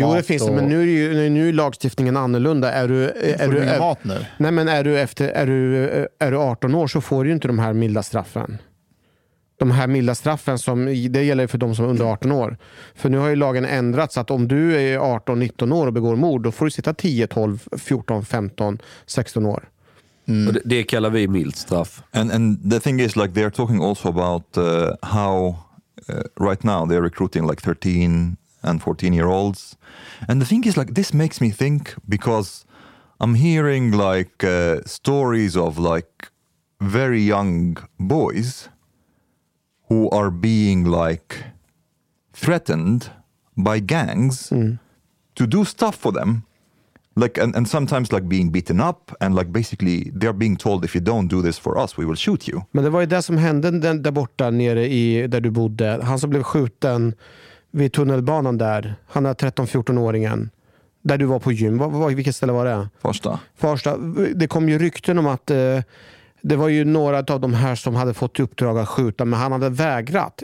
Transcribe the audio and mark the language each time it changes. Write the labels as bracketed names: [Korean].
[Swedish] Jo, det finns det, men nu är lagstiftningen annorlunda. Är du 18 år så får du ju inte de här milda straffen. de här milda straffen som, det gäller för de som är under 18 år. För nu har ju lagen ändrats så att om du är 18-19 år och begår mord, då får du sitta 10, 12, 14, 15, 16 år. Mm. Det kallar vi mild straff. [English] And the thing is, like, they're talking also about how right now they're recruiting like 13 and 14 year olds. And the thing is, like, this makes me think, because I'm hearing like stories of like very young boys who are being like threatened by gangs to do stuff for them. Like, and sometimes like being beaten up, and like basically they're being told, if you don't do this for us, we will shoot you. [Swedish] Men det var ju det som hände den, där borta nere i där du bodde. Han som blev skjuten vid tunnelbanan där. Han är 13-14-åringen. Där du var på gym. Vilket ställe var det? Första. Det kom ju rykten om att det var ju några av de här som hade fått uppdrag att skjuta, men han hade vägrat.